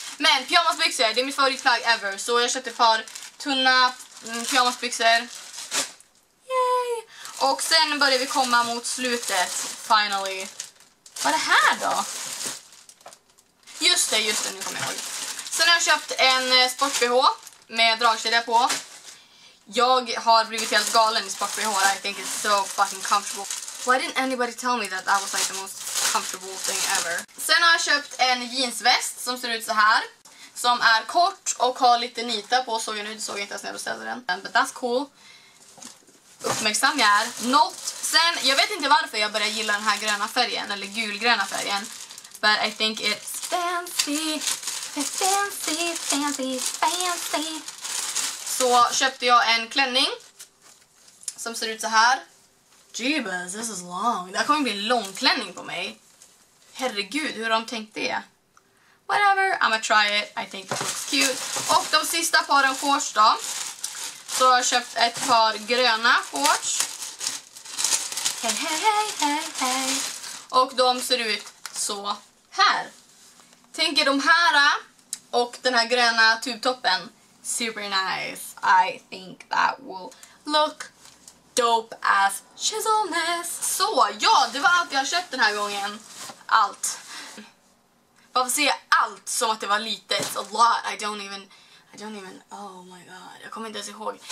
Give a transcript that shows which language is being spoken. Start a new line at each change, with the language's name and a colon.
Swedish: Men pyjamasbyxor, det är mitt favoritplagg ever. Så jag köpte ett par tunna pyjamasbyxor. Yay! Och sen börjar vi komma mot slutet, finally. Vad är det här då? Just det, nu kommer jag ihåg. Sen har jag köpt en sport-BH med dragkedja på. Jag har blivit helt galen i sport-BH.
English: I think it's so fucking comfortable. Why didn't anybody tell me that was like the most comfortable thing ever?
Swedish: Sen har jag köpt en jeansväst som ser ut så här. Som är kort och har lite nita på. Såg jag nu, det såg jag inte ens när jag beställde den.
English: But that's cool.
Swedish: Uppmärksam jag är. Not. Sen, jag vet inte varför jag börjar gilla den här gröna färgen. Eller gulgröna färgen.
English: But I think it's fancy. Fancy, fancy, fancy.
Swedish: Så köpte jag en klänning. Som ser ut så här.
English: Jeebus, this is long.
Swedish: Det här kommer bli en lång klänning på mig. Herregud, hur har de tänkt det?
English: Whatever, I'ma try it. I think it looks cute.
Swedish: Och de sista paren shorts då. Så har jag köpt ett par gröna shorts. Hey, hey, hey, hey, hey. Och de ser ut så här. Tänker de här och den här gröna tubtoppen.
English: Super nice. I think that will look dope as chiselness.
Swedish: Så, ja, det var allt jag har köpt den här gången. Allt. Varför säger jag allt som att det var lite?
English: It's a lot. I don't even, oh my god.
Swedish: Jag kommer inte ens ihåg.